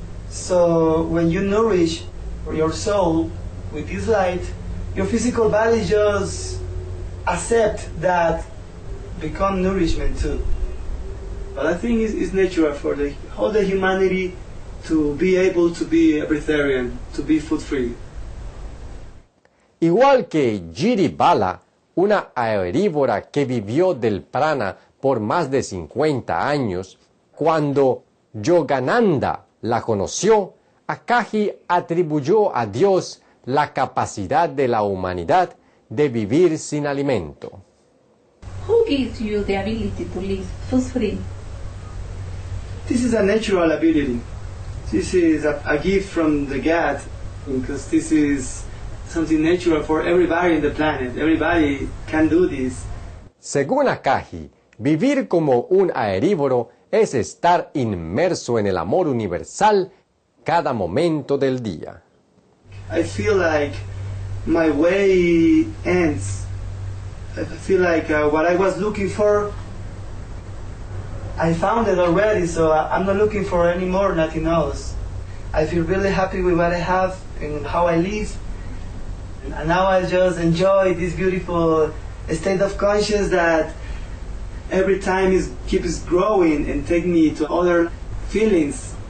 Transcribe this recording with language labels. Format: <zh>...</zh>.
<en>So when you nourish your soul with this light, your physical body just accept that, become nourishment too. But I think it's natural for the whole humanity to be able to be a breatharian, to be food free.</en> <es>Igual que Giri Bala, una herbívora que vivió del prana por más de 50 años, cuando Yogananda la conoció, Akagi atribuyó a Dios la capacidad de la humanidad de vivir sin alimento.</es> <en>Who gives you the ability to live food free? This is a natural ability. This is a gift from the God, because this is something natural for everybody in the planet. Everybody can do this.</en> <es>Según Akagi, vivir como un herbívoro es estar inmerso en el amor universal cada momento del día.</es> <en>I feel like my way ends. I feel like what I was looking for, I found it already, so I'm not looking for any more, nothing else. I feel really happy with what I have and how I live. And now I just enjoy this beautiful state of consciousness that every time it keeps growing and take me to other feelings.</en>